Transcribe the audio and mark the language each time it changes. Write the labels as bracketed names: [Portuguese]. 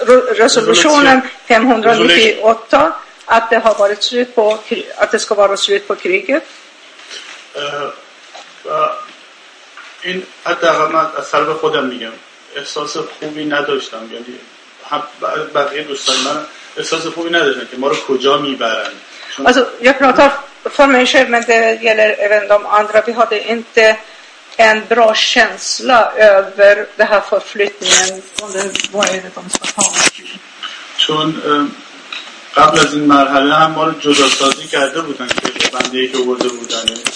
[Swedish] resolutionen 598 att det har varit slut på att det ska vara slut på kriget. [Persian] این حداقل من از طرف خودم میگم احساس خوبی نداشتم، یعنی بقیه دوستان من احساس خوبی نداشتن که ما رو کجا میبرن. [Swedish] Also jag pratar för mig själv, men det gäller även de andra. Vi hade inte en bra känsla över det här förflyttningen. Vad är det de ska ta? [Persian] چون قبل از این مرحله هم ما رو جدا سازی کرده بودن که بنده ای که برده بودن